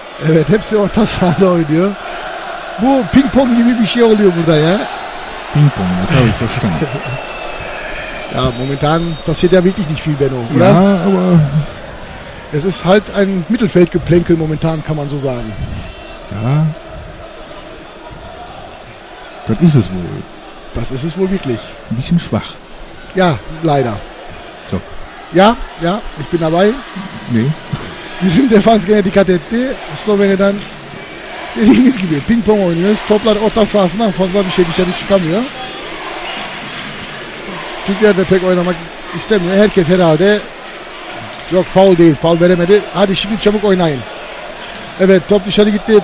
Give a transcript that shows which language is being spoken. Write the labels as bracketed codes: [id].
[tr] Evet, hepsi orta sahada oynuyor. Bu ping pong gibi bir şey oluyor burada ya. Ping pong ya, sabi koştum. [de] Ja, momentan passiert ja wirklich nicht viel, Benno, oder? Ja, aber... Es ist halt ein Mittelfeldgeplänkel momentan, kann man so sagen. Ja. Das ist es wohl. Das ist es wohl wirklich. Ein bisschen schwach. Ja, leider. So. Ja, ja, ich bin dabei. Nee. Wir sind der Fansgänger, die KTT. Slowenien dann. [tr] Dediğiniz gibi ping-pong oynuyoruz. Toplar orta sahasından fazla bir şey dışarı çıkamıyor. Türkler de pek oynamak istemiyor. Herkes herhalde... Yok, faul değil. Faul veremedi. Hadi şimdi çabuk oynayın. Evet, top dışarı gitti.